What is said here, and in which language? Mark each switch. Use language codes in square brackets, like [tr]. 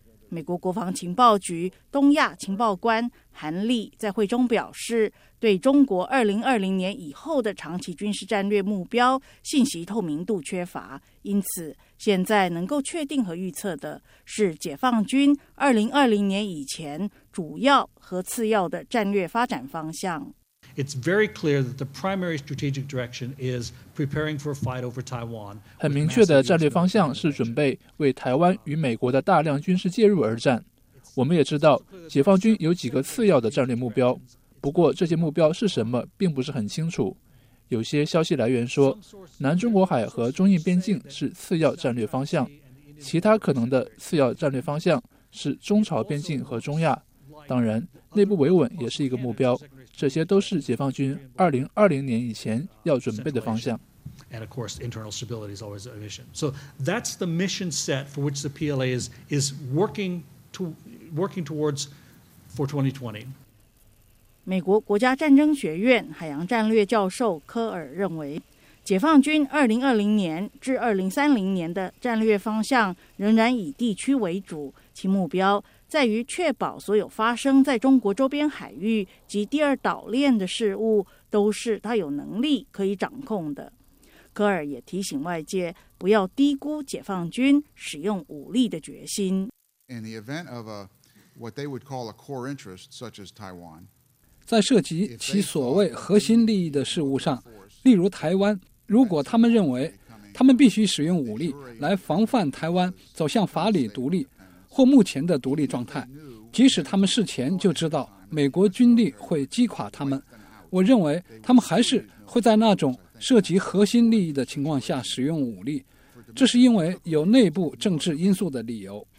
[zh] 美国国防情报局东亚情报官韩立在会中表示，对中国2020年以后的长期军事战略目标信息透明度缺乏，因此现在能够确定和预测的是解放军2020年以前主要和次要的战略发展方向。 [en] It's very clear that the primary strategic direction is preparing for a fight over Taiwan. [zh] 很明确的战略方向是准备为台湾与美国的大量军事介入而战。我们也知道解放军有几个次要的战略目标，不过这些目标是什么并不是很清楚。有些消息来源说南中国海和中印边境是次要战略方向，其他可能的次要战略方向是中朝边境和中亚，当然内部维稳也是一个目标，这些都是解放军2020年以前要准备的方向。 [en] And of course, internal stability is always a mission. So that's the mission set for which the PLA is working towards for 2020. [zh] 美国国家战争学院海洋战略教授科尔认为，解放军2020年至2030年的战略方向仍然以地区为主，其目标在于确保所有发生在中国周边海域及第二岛链的事物都是他有能力可以掌控的。科尔也提醒外界不要低估解放军使用武力的决心。 [en] In the event of a, what they would call a core interest, such as Taiwan, [zh] 在涉及其所谓核心利益的事物上，例如台湾，如果他们认为他们必须使用武力来防范台湾走向法理独立或目前的独立状态，即使他们事前就知道美国军力会击垮他们，我认为他们还是会在那种涉及核心利益的情况下使用武力，这是因为有内部政治因素的理由。